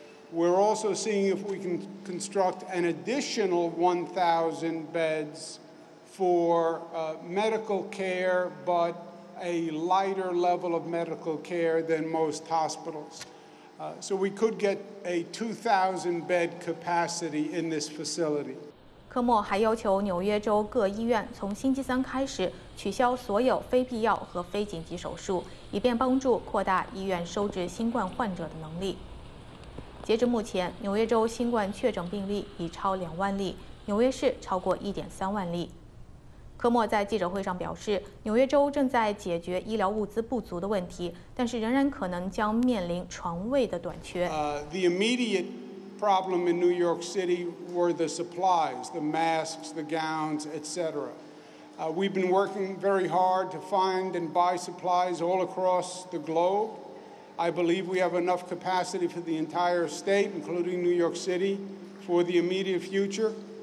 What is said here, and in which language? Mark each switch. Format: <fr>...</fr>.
<en>We're also seeing if we can construct an additional 1,000 beds for medical care, but a lighter level of medical care than most hospitals. So we could get a 2,000 bed capacity in this facility.</en> <zh>科莫还要求纽约州各医院从星期三开始取消所有非必要和非紧急手术，以便帮助扩大医院收治新冠患者的能力。截至目前，纽约州新冠确诊病例已超2万例，纽约市超过 1.3 万例。科莫在记者会上表示，纽约州正在解决医疗物资不足的问题，但是仍然可能将面临床位的短缺。</zh> <en>The immediate problem in New York City were the supplies, the masks, the gowns, etc. We've been working very hard to find and buy supplies all across the globe. I believe we have enough capacity for the entire state, including New York City, for the immediate future.</en>